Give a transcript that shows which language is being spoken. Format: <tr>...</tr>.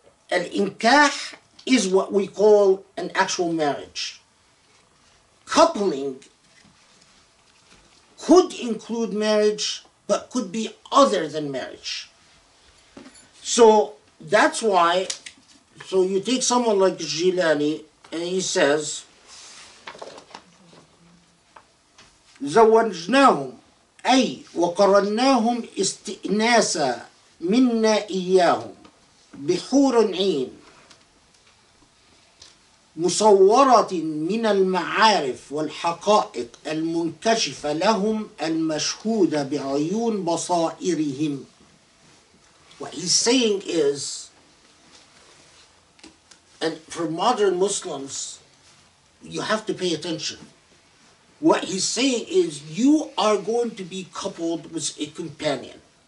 <en>Al-inkah is what we call an actual marriage. Coupling could include marriage, but could be other than marriage. So that's why, so you take someone like Jilani, and he says,</en> <ar>زوجناهم أي وقرناهم استئناسا منا إياهم بحور عين مصورة من المعارف والحقائق المنكشفة لهم المشهودة بعيون بصائرهم.</ar> <en>What he's saying is, and for modern Muslims, you have to pay attention. What he's saying is, you are going to be coupled with a companion.</en>